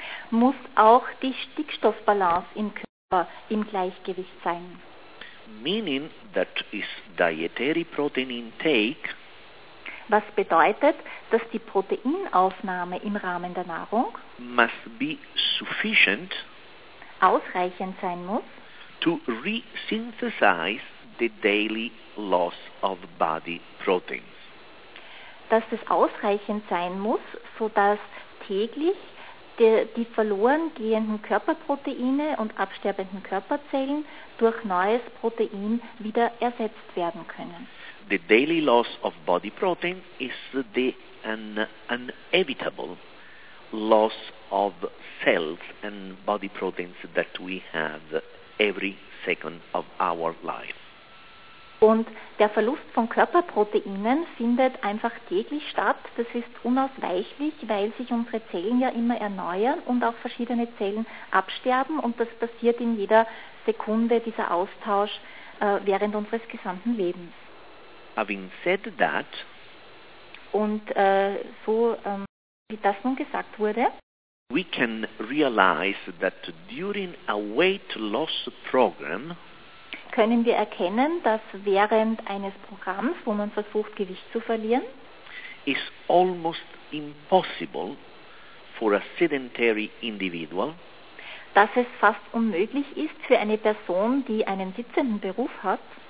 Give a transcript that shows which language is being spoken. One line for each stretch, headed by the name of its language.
German: muss auch die Stickstoffbalance im Körper im Gleichgewicht sein.
English: Meaning that is dietary protein intake.
German: Was bedeutet, dass die Proteinaufnahme im Rahmen der Nahrung
English: must be sufficient,
German: ausreichend sein muss,
English: to resynthesize the daily loss of body proteins.
German: Dass es ausreichend sein muss, sodass täglich die verloren gehenden Körperproteine und absterbenden Körperzellen durch neues Protein wieder ersetzt werden können.
English: The daily loss of body protein is the inevitable loss of cells and body proteins that we have every second of our life.
German: Und der Verlust von Körperproteinen findet einfach täglich statt. Das ist unausweichlich, weil sich unsere Zellen ja immer erneuern und auch verschiedene Zellen absterben. Und das passiert in jeder Sekunde, dieser Austausch, während unseres gesamten Lebens.
English: Having said that,
German: und so wie das nun gesagt wurde,
English: we can realize that during a weight loss program,
German: können wir erkennen, dass während eines Programms, wo man versucht, Gewicht zu verlieren,
English: is almost impossible for a sedentary individual,
German: dass es fast unmöglich ist für eine Person, die einen sitzenden Beruf hat,